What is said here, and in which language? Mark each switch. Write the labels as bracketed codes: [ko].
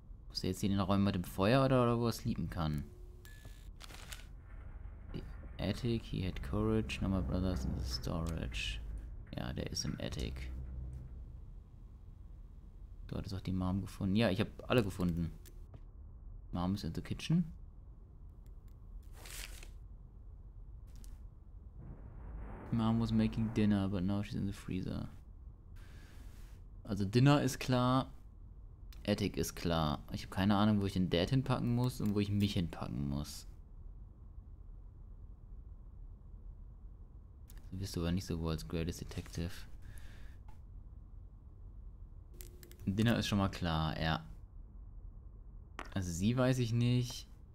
[de] Muss er jetzt in den Räumen mit dem Feuer oder wo er sleepen kann? [en] Attic, he had courage, now my brother's in the storage. [de] Ja, der ist im Attic. Du hattest auch die Mom gefunden. Ja, ich habe alle gefunden. [en] Mom is in the kitchen. Mom was making dinner, but now she's in the freezer. [de] Also Dinner ist klar. Attic ist klar. Ich habe keine Ahnung, wo ich den Dad hinpacken muss und wo ich mich hinpacken muss. Du bist aber nicht so World's Greatest Detective. Dinner ist schon mal klar, ja. Also sie weiß ich nicht.